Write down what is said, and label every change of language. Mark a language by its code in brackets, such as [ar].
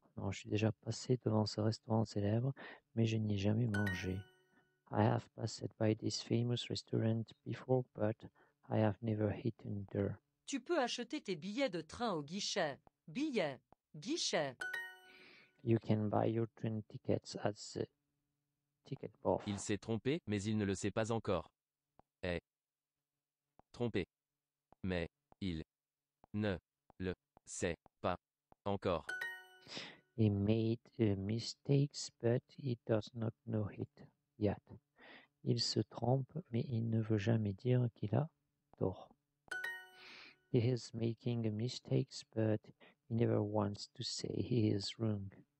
[fr] Je suis déjà passé devant ce restaurant célèbre, mais je n'y ai jamais mangé. [en] I have passed by this famous restaurant before, but I have never eaten there. [fr] Tu peux acheter tes billets de train au guichet. Billets. Guichet. [en] You can buy your train tickets at the ticket booth. [fr] Il s'est trompé, mais il ne le sait pas encore. Est trompé. Mais il ne le sait pas encore. [en] He made mistakes, but he does not know it yet. [fr] Il se trompe, mais il ne veut jamais dire qu'il a tort. [en] He is making mistakes, but he never wants to say he is wrong.